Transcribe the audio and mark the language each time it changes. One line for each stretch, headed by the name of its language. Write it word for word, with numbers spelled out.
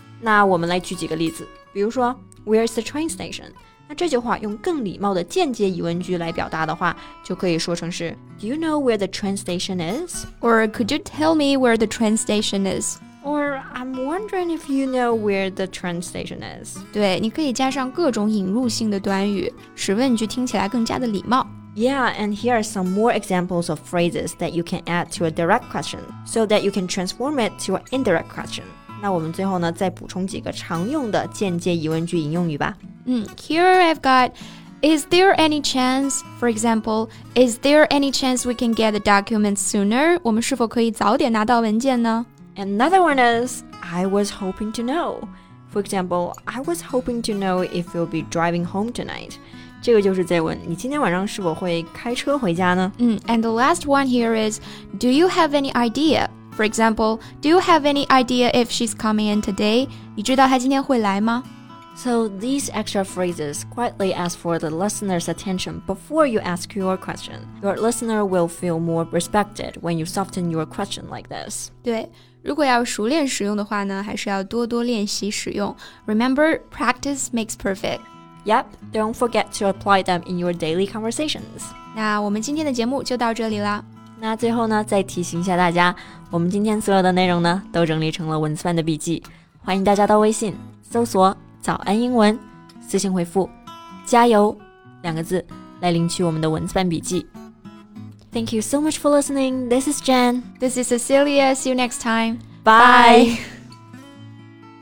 Chinese: 那我们来举几个例子，比如说
English: Where's the train station?
Chinese: 那这句话用更礼貌的间接疑问句来表达的话，就可以说成是
English: Do you know where the train station is? Or could you tell me where the train station is? Or I'm wondering if you know where the train station is.
Chinese: 对，你可以加上各种引入性的短语，使问句听起来更加的礼貌。
English: Yeah, and here are some more examples of phrases that you can add to a direct question, so that you can transform it to an indirect question.
Chinese: 那我们最后呢，再补充几个常用的间接疑问句引用语吧。
English: 嗯 ，Here I've got, is there any chance? For example, is there any chance we can get the documents sooner?
Chinese: 我们是否可以早点拿到文件呢
English: ？Another one is, I was hoping to know. For example, I was hoping to know if you'll be driving home tonight.
Chinese: 这个就是在问你今天晚上是否会开车回家呢？
English: 嗯 ，And the last one here is, do you have any idea? For example, do you have any idea if she's coming in today?
Chinese: 你知道她今天会来吗？
English: So these extra phrases quietly ask for the listener's attention before you ask your question. Your listener will feel more respected when you soften your question like this.
Chinese: 对，如果要熟练使用的话呢，还是要多多练习使用。
English: Remember, practice makes perfect. Yep, don't forget to apply them in your daily conversations.
Chinese: 那我们今天的节目就到这里啦。那最后呢，再提醒一下大家，我们今天所有的内容呢，都整理成了文字版的笔记，欢迎大家到微信搜索早安英文，私信回复加油两个字来领取我们的文字版笔记。
English: Thank you so much for listening. This is Jen. This is Cecilia. See you next time. Bye. Bye.